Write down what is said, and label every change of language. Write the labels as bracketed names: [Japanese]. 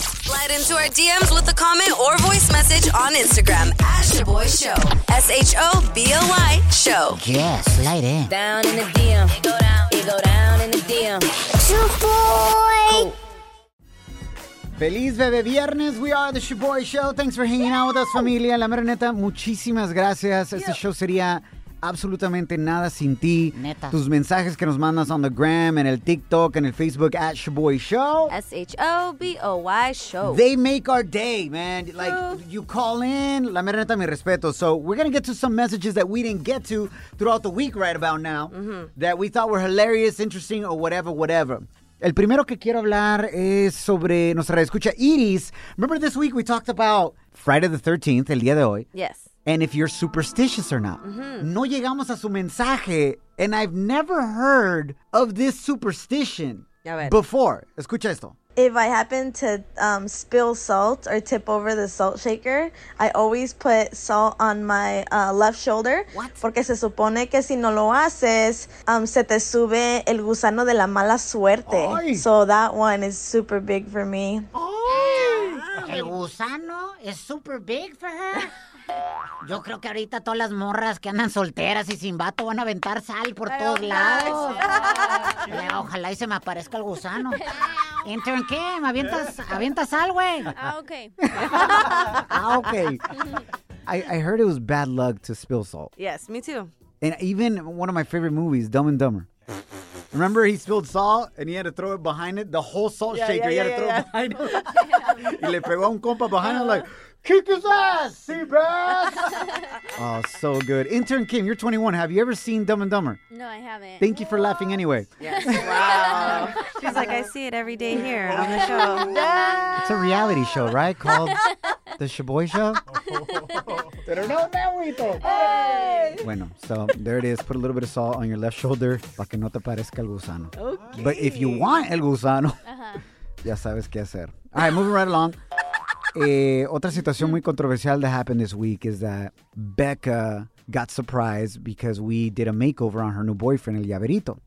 [English] Slide into our DMs with a comment or voice message on Instagram at Shaboy Show. S-H-O-B-O-Y Show. Yeah, slide in. Down in the DM. It go down in the DM. Shaboy. [Spanish] Feliz Bebe Viernes. [English] We are the Shaboy Show. Thanks for hanging out with us, familia. [Spanish] La mera neta, muchísimas gracias. Este show sería absolutamente nada sin ti. Neta. Tus mensajes que nos mandas [English] on the gram, [Spanish] en el TikTok, en el Facebook, at Shaboy Show. [English] S-H-O-B-O-Y Show. They make our day, man. Like, you call in, [Spanish] la mera neta, mi respeto. [English] So, we're gonna get to some messages that we didn't get to throughout the week right about now, that we thought were hilarious, interesting, or whatever, whatever. [Spanish] El primero que quiero hablar es sobre nuestra escucha Iris. [English] Remember this week we talked about Friday the 13th, [Spanish] el día de hoy. [English] Yes. And if you're superstitious or not. Mm-hmm. [Spanish] No llegamos a su mensaje. [English] And I've never heard of this superstition before. [Spanish] Escucha esto. [English] If I happen to spill salt or tip over the salt shaker, I always put salt on my left shoulder. What? [Spanish] Porque se supone que si no lo haces, se te sube el gusano de la mala suerte. Ay. [English] So that one is super big for me. Ay. [Spanish] El gusano [English] is super big for her? [Spanish] Yo creo que ahorita todas las morras que andan solteras y sin vato van a aventar sal por todos lados. [English] Yeah. [Spanish] Ojalá y se me aparezca el gusano. Intern Kim, avienta sal, güey. [English] Ah, okay. I heard it was bad luck to spill salt. Yes, me too. And even one of my favorite movies, Dumb and Dumber. Remember he spilled salt and he had to throw it behind it? The whole salt shaker, he had to throw it behind it. [Spanish] Y le pegó a un compa [English] behind it like... kick his ass, Seabass. Oh, so good. Intern Kim, you're 21. Have you ever seen Dumb and Dumber? No, I haven't. Thank you for laughing anyway. Yes. Wow. She's like, I see it every day here on the show. It's a reality show, right? Called The Shaboy Show. Bueno, so there it is. Put a little bit of salt on your left shoulder. [Spanish] Para que no te parezca el gusano. [English] Okay. But if you want el gusano, [Spanish] ya sabes qué hacer. [English] All right, moving right along. [Spanish] Otra situación muy controversial [English] that happened this week is that Becca got surprised because we did a makeover on her new boyfriend, el Llaverito.